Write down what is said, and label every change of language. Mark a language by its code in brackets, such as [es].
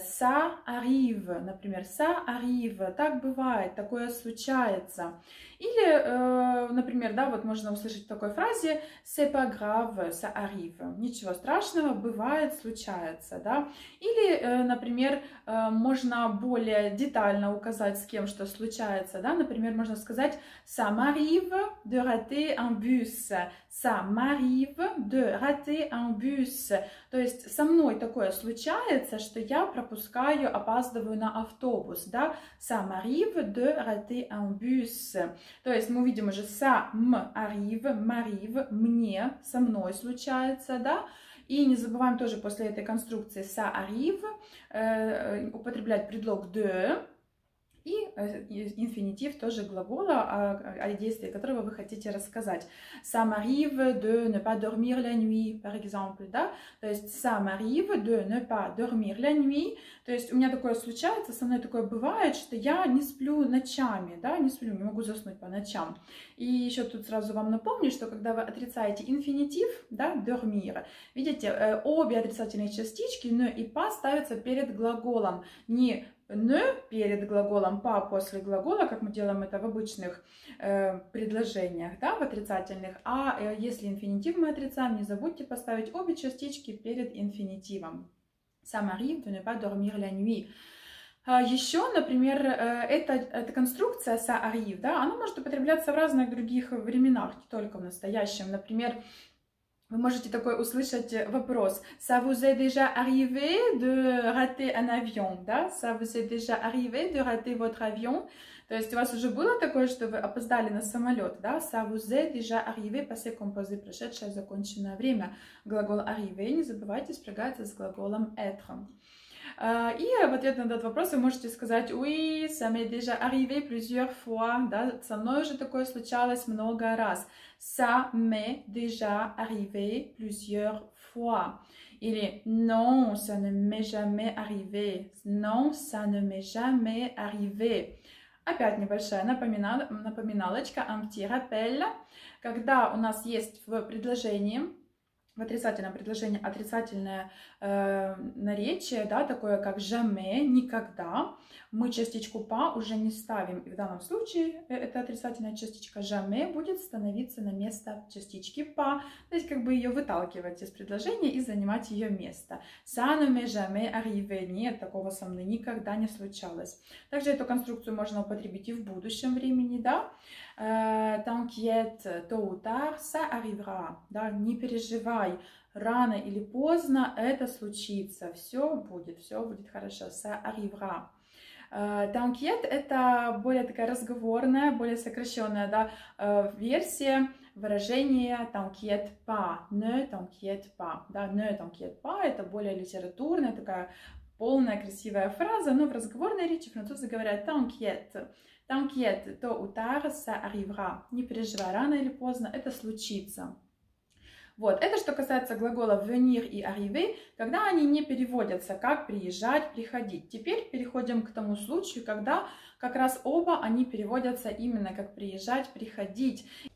[fr] Ça arrive, [ru] например, [fr] ça arrive, [ru] так бывает, такое случается. Или, например, да, вот можно услышать в такой фразе [fr] c'est pas grave, ça arrive. [ru] Ничего страшного, бывает, случается, да. Или, например, можно более детально указать, с кем что случается, да. Например, можно сказать [fr] ça m'arrive de rater un bus. Ça m'arrive de rater un bus. [ru] То есть со мной такое случается, что я пропускаю, опаздываю на автобус, да. [fr] Ça m'arrive de rater un bus. [ru] То есть мы видим уже [fr] «ça m'arrive», [ru] «m'arrive», «мне», «со мной случается», да? И не забываем тоже после этой конструкции [fr] «ça arrive» [ru] употреблять предлог «de» и инфинитив тоже глагола, о действии которого вы хотите рассказать. [fr] «Ça m'arrive de ne pas dormir la nuit», par exemple, [ru] да? То есть [fr] «ça m'arrive de ne pas dormir la nuit». [ru] То есть у меня такое случается, со мной такое бывает, что я не сплю ночами, да, не сплю, не могу заснуть по ночам. И еще тут сразу вам напомню, что когда вы отрицаете инфинитив, да, dormir, видите, обе отрицательные частички ne и pas ставятся перед глаголом. Не ne перед глаголом, pas после глагола, как мы делаем это в обычных предложениях, да, в отрицательных. А если инфинитив мы отрицаем, не забудьте поставить обе частички перед инфинитивом. [fr] Ça m'arrive de ne pas dormir la nuit. [ru] Еще, например, эта конструкция [fr] ça arrive, [ru] да, она может употребляться в разных других временах, не только в настоящем. Например, вы можете такой услышать вопрос: [fr] ça vous est déjà arrivé de rater un avion, [ru] да? [fr] Ça vous est déjà arrivé de rater votre avion? [ru] То есть у вас уже было такое, что вы опоздали на самолет, да? [fr] Ça vous est déjà arrivé, passé composé, [ru] прошедшее, законченное время. Глагол arrivé, не забывайте, спрягается с глаголом être. И в ответ на этот вопрос вы можете сказать [fr] «Oui, ça m'est déjà arrivé plusieurs fois», [ru] да? Со мной уже такое случалось много раз. [fr] «Ça m'est déjà arrivé plusieurs fois». [ru] Или [fr] «Non, ça ne m'est jamais arrivé». «Non, ça ne m'est jamais arrivé». [ru] Опять небольшая напоминалочка, [fr] un petit rappel. [ru] Когда у нас есть в предложении, в отрицательном предложении, отрицательное наречие, да, такое как jamais, никогда, мы частичку pa уже не ставим. И в данном случае эта отрицательная частичка jamais будет становиться на место частички pa. То есть как бы ее выталкивать из предложения и занимать ее место. [fr] Ça ne m'est jamais arrivé. [ru] Нет, такого со мной никогда не случалось. Также эту конструкцию можно употребить и в будущем времени, да. [fr] t'inquiète, tôt ou tard, ça arrivera. [ru] Да? Не переживай, рано или поздно это случится. Все будет хорошо, [fr] ça arrivera. T'inquiète, [ru] это более такая разговорная, более сокращенная, да, версия выражения [fr] t'inquiète pas, ne t'inquiète pas. [ru] Да? [fr] Ne t'inquiète pas, [ru] это более литературная такая полная красивая фраза, но в разговорной речи французы говорят [fr] t'inquiète. T'inquiète, tôt ou tard, ça arrivera. [ru] Не переживай, рано или поздно это случится. Вот, это что касается глаголов venir и arriver, когда они не переводятся как приезжать, приходить. Теперь переходим к тому случаю, когда как раз оба они переводятся именно как приезжать, приходить.